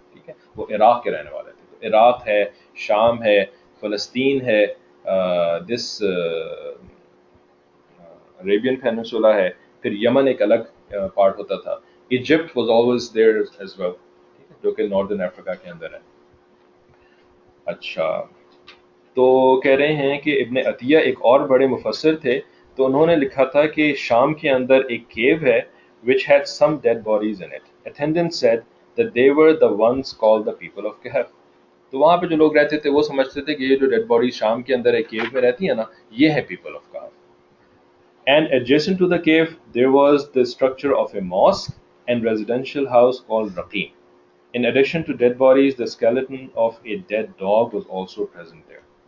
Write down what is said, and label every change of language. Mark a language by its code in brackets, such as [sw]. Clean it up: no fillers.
[ur] ٹھیک ہے, وہ عراق کے رہنے والے تھے. تو عراق ہے, شام ہے, فلسطین ہے, [en] this Arabian peninsula [ur] ہے, پھر یمن ایک الگ پارٹ ہوتا تھا, [en] Egypt was always there as well, [ur] جو کہ ناردرن افریقہ کے اندر ہے. اچھا, تو کہہ رہے ہیں کہ ابن عطیہ ایک اور بڑے مفسر تھے, تو انہوں نے لکھا تھا کہ شام کے اندر ایک کیو ہے [en] which had some dead bodies in it. Attendants said that they were the ones called the people of Kahf. [ur] تو وہاں پہ جو لوگ رہتے تھے وہ سمجھتے تھے کہ یہ جو ڈیڈ باڈیز شام کے اندر ایک کیو میں رہتی ہیں نا, یہ ہے [en] People of کہف. And adjacent to the cave there was the structure of a mosque and residential house called رقیم. In addition to dead bodies the skeleton of a dead dog was also present there.